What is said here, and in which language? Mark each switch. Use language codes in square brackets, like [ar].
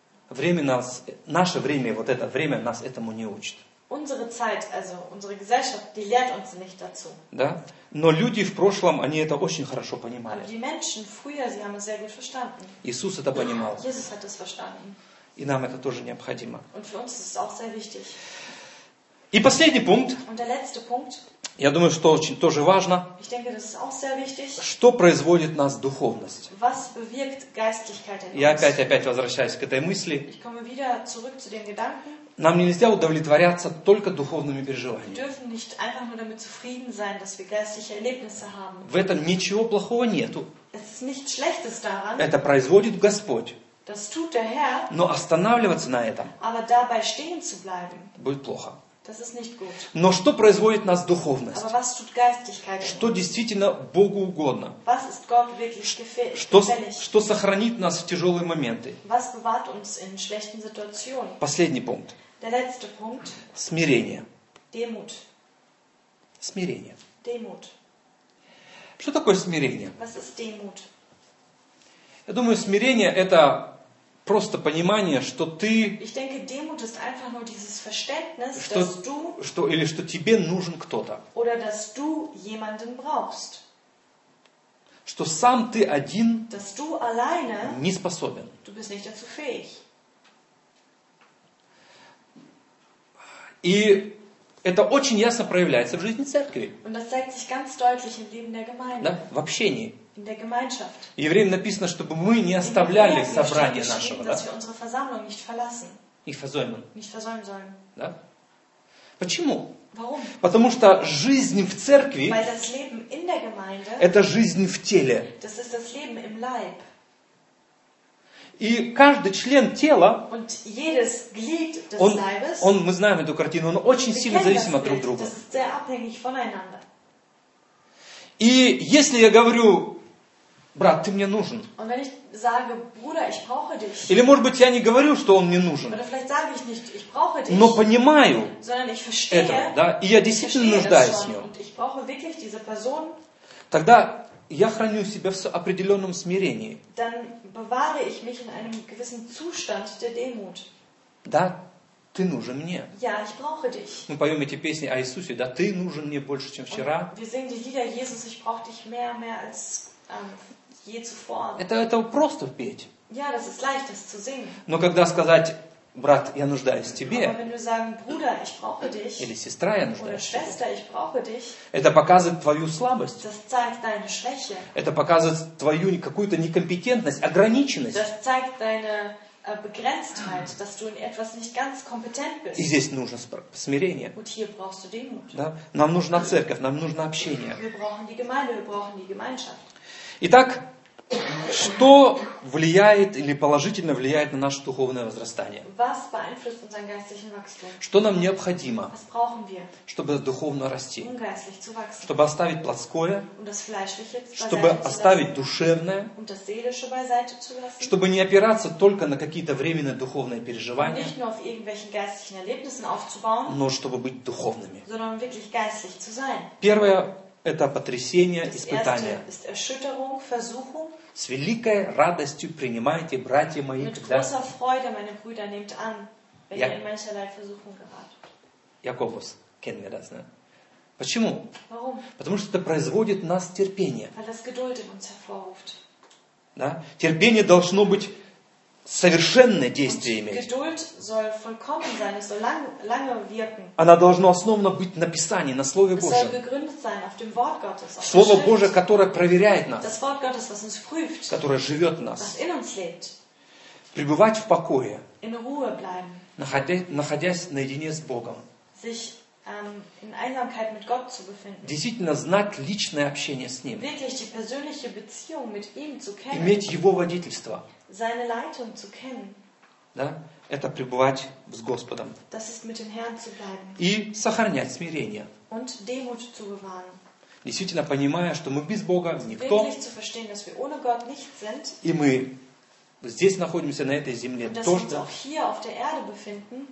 [ru] Время нас, наше время, вот это время нас этому не учит. [de] Unsere Zeit, also unsere Gesellschaft, die lehrt uns nicht dazu. [ru] Да? Но люди в прошлом, они это очень хорошо понимали. [de] Aber die Menschen früher, sie haben es sehr gut verstanden. [ru] Иисус это понимал. [de] Jesus hat das verstanden. [ru] И нам это тоже необходимо. [de] Und für uns ist es auch sehr wichtig. [ru] И последний пункт. [de] Und der letzte Punkt. [ru] Я думаю, что очень тоже важно. [de] Ich denke, das ist auch sehr wichtig. [ru] Что производит нас духовность? [de] Was bewirkt Geistlichkeit in uns? [ru] Я опять возвращаюсь к этой мысли. [de] Ich komme wieder zurück zu den Gedanken. [ru] Нам нельзя удовлетворяться только духовными переживаниями. [de] Wir dürfen nicht einfach nur damit zufrieden sein, dass wir geistliche Erlebnisse haben. [ru] В этом ничего плохого нету. [de] Es ist nichts Schlechtes daran. [ru] Это производит Господь. [de] Das tut der Herr. [ru] Но останавливаться на этом. [de] Aber dabei stehen zu bleiben. [ru] Будет плохо. [de] Das ist nicht gut. [ru] Но что производит нас духовность? [de] Aber was tut Geistlichkeit? [ru] Что действительно Богу угодно? [de] Was ist Gott wirklich gefällig? [ru] Что сохранит нас в тяжелые моменты? [de] Was bewahrt uns in schlechten Situationen? [ru] Последний пункт. [de] Der letzte Punkt. [ru] Смирение. [de] Demut. [ru] Смирение. [de] Demut. [ru] Что такое смирение? [de] Was ist Demut? [ru] Я думаю, смирение – это просто понимание, что ты... [de] Ich denke, Demut ist einfach nur dieses Verständnis, [ru] что, [de] dass du... [ru] Что, или что тебе нужен кто-то. [de] Oder dass du jemanden brauchst. [ru] Что сам ты один... [de] Dass du alleine... [ru] Не способен. [de] Du bist nicht dazu fähig. [ru] И это очень ясно проявляется в жизни церкви. [de] Und das zeigt sich ganz deutlich im Leben der Gemeinde. [ru] Да, в общении. [de] In der Gemeinschaft. [ru] Евреям написано, чтобы мы не оставляли собрание нашего. [de] Dass wir unsere Versammlung nicht verlassen. Nicht versäumen. Nicht versäumen sollen. [ru] Да? Почему? [de] Warum? [ru] Потому что жизнь в церкви, [de] weil das Leben in der Gemeinde, [ru] это жизнь в теле. [de] Das ist das Leben im Leib. [ru] И каждый член тела, [de] und jedes Glied des Leibes, [ru] он, мы знаем эту картину, он очень сильно зависим от друг друга. [de] Das ist sehr abhängig voneinander. [ru] И если я говорю, брат, ты мне нужен. [de] Und wenn ich sage, Bruder, ich brauche dich. [ru] Или, может быть, я не говорю, что он мне нужен. [de] Oder vielleicht sage ich nicht, ich brauche dich. [ru] Но понимаю [de] sondern ich verstehe, [ru] это, да, и я действительно нуждаюсь в нем. [de] Und ich brauche wirklich diese Person, [ru] тогда я храню себя в определенном смирении. [de] Dann bewahre ich mich in einem gewissen Zustand der Demut. [ru] Да. Ты нужен мне. [de] Ja, ich brauche dich. [ru] Мы поем эти песни о Иисусе, да, ты нужен мне больше, чем вчера. [de] Wir singen die Lieder, Jesus, ich brauche dich mehr als je zuvor. [ru] Это просто петь. [de] Ja, das ist leicht, das zu singen. [ru] Но когда сказать, брат, я нуждаюсь в тебе. [de] Aber wenn du sagen, Bruder, ich brauche dich. [ru] Или сестра, я нуждаюсь [de] oder Schwester, ich brauche dich. [ru] Это показывает твою слабость. [de] Das zeigt deine Schwäche. [ru] Это показывает твою какую-то некомпетентность, ограниченность. [de] Das zeigt deine Begrenztheit, dass du in etwas nicht ganz kompetent bist. [ru] И здесь нужно смирение. [de] Und hier brauchst du Demut. [ru] Да? Нам нужна церковь, нам нужно общение. [de] Wir brauchen die Gemeinde, wir brauchen die Gemeinschaft. [ru] Итак, что влияет или положительно влияет на наше духовное возрастание? [de] Was beeinflusst unseren geistlichen Wachstum? [ru] Что нам необходимо? [de] Was brauchen wir? [ru] Чтобы духовно расти. [de] Um geistlich zu wachsen. [ru] Чтобы оставить плотское. [de] Um das Fleischliche beiseite [ru] чтобы [de] zu lassen, [ru] оставить душевное. [de] Um das Seelische beiseite zu lassen, [ru] чтобы не опираться только на какие-то временные духовные переживания. [de] Nicht nur auf irgendwelchen geistlichen Erlebnissen aufzubauen, [ru] но чтобы быть духовными. [de] Sondern wirklich geistlich zu sein. [ru] Первое. Это потрясение, испытание. [de] Das erste ist Erschütterung, Versuchung. [ru] С великой радостью принимайте, братья мои, [de] mit [ru] когда... [de] großer Freude, meine Brüder, nehmt an, wenn ihr in mancherlei Versuchung geratet. Jakobus, kennen wir das, ne? [ru] Почему? [de] Warum? [ru] Потому что это производит нас терпение. [de] Weil das Geduld in uns hervorruft. [ru] Да? Терпение должно быть совершенное действие иметь. [de] Geduld soll vollkommen sein, es soll lange wirken. [ru] Она должна основана быть на Писании, на Слове Божьем. [de] Sein, auf dem Wort Gottes, auf [ru] Слово Божие, которое проверяет нас. [de] Das Wort Gottes, was uns prüft, [ru] которое живет в нас. [de] Was in uns lebt, [ru] пребывать в покое. [de] In Ruhe bleiben, [ru] находясь наедине с Богом. [de] Sich, in Einsamkeit mit Gott zu befinden, [ru] действительно знать личное общение с Ним. [de] Wirklich die persönliche Beziehung mit ihm zu kennen, [ru] иметь Его водительство. [de] Seine Leitung zu kennen. [ru] Да? Это пребывать с Господом. [de] Das ist mit dem Herrn zu bleiben. [ru] И сохранять смирение. [de] Und Demut zu bewahren. [ru] Действительно понимая, что мы без Бога никто. [de] Wirklich zu verstehen, dass wir ohne Gott nichts sind. [ru] И мы здесь находимся, на этой земле. [de] Und dass wir uns auch hier auf der Erde befinden.